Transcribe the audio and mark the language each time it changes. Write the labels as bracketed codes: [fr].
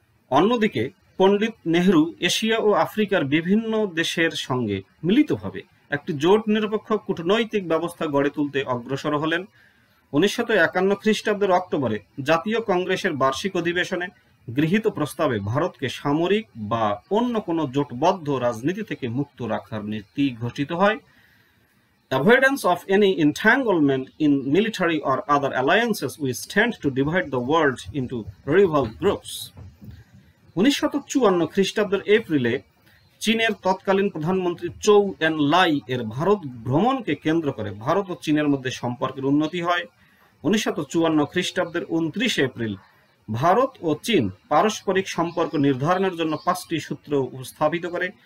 [bn] অন্যদিকে পণ্ডিত নেহরু এশিয়া ও আফ্রিকার বিভিন্ন দেশের সঙ্গে মিলিতভাবে একটি জোট নিরপেক্ষ কূটনৈতিক ব্যবস্থা গড়ে তুলতে অগ্রসর হলেন। 1951 খ্রিস্টাব্দের অক্টোবরে জাতীয় কংগ্রেসের বার্ষিক অধিবেশনে গৃহীত প্রস্তাবে ভারতকে সামরিক বা অন্য কোনো জোটবদ্ধ রাজনীতি থেকে মুক্ত রাখার নীতি ঘোষিত হয়। [en] Avoidance of any entanglement in military or other alliances which tend to divide the world into rival groups. [bn] 1954 খ্রিস্টাব্দের এপ্রিলে চীনের তৎকালীন প্রধানমন্ত্রী চৌ এন লাই এর ভারত ভ্রমণকে কেন্দ্র করে ভারত ও চীনের মধ্যে সম্পর্কের উন্নতি হয়। 1954 খ্রিস্টাব্দের 29 এপ্রিল ভারত ও চীন পারস্পরিক সম্পর্ক নির্ধারণের জন্য 5টি সূত্র উপস্থাপিত করে।